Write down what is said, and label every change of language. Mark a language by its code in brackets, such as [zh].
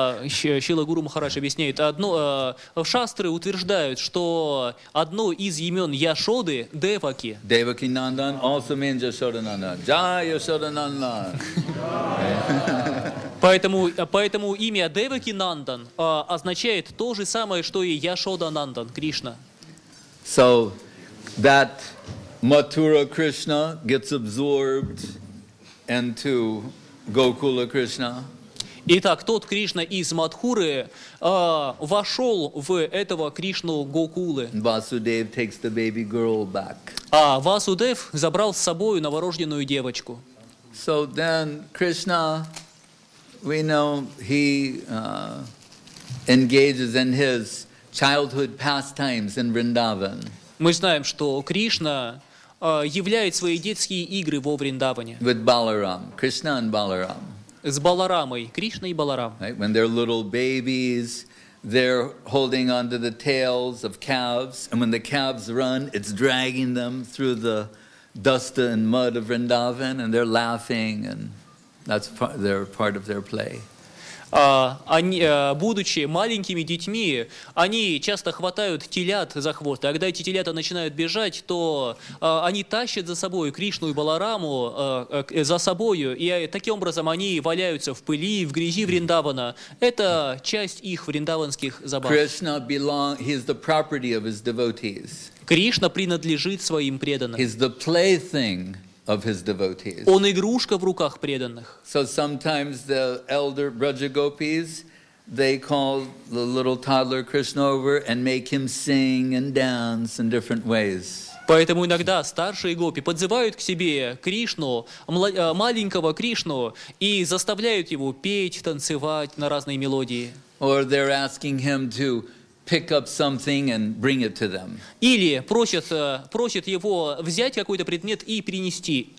[ru] Шрила Гуру Махарадж объясняет, шастры утверждают, что одно из имен Яшоды – Деваки. [en] Devaki Nandan also means Yashoda Nandan. Jai Yashoda Nandan! [ru] Поэтому имя Деваки Нандан означает то же самое, что и Яшода Нандан, Кришна. [en] So, that Mathura Krishna gets absorbed into Gokula Krishna. [ru] Итак, тот Кришна из Мадхуры вошел в этого Кришну Гокулы. [en] Vasudev takes the baby girl back. [ru] А Васудев забрал с собой новорожденную девочку. [en] So then Krishna, we know, he engages in his childhood pastimes in Vrindavan. [ru] Мы знаем, что Кришна являет свои детские игры во Вриндаване. [en] With Balaram, Krishna and Balaram. [ru] С Баларамой, Кришна и Баларам. [en] Right? When they're little babies, they're holding onto the tails of calves, and when the calves run, it's dragging them through the dust and mud of Vrindavan, and they're laughing, and that's part, they're part of their play. [ru] Будучи маленькими детьми, они часто хватают телят за хвост. И когда эти телята начинают бежать, то они тащат за собой Кришну и Балараму, за собою, и таким образом они валяются в пыли, в грязи Вриндавана. Это часть их вриндаванских забав. [en] Krishna belongs, he is the property of his devotees. [ru] Кришна принадлежит своим преданным. [en] He's the plaything of his devotees. [ru] Он игрушка в руках преданных. [en] So sometimes the elder Brajagopis, they call the little toddler Krishna over and make him sing and dance in different ways. [ru] Поэтому иногда старшие гопи подзывают к себе Кришну, маленького Кришну, и заставляют его петь, танцевать на разные мелодии. [en] Or they're asking him to pick up something and bring it to them. [ru] Или просят его взять какой-то предмет и принести.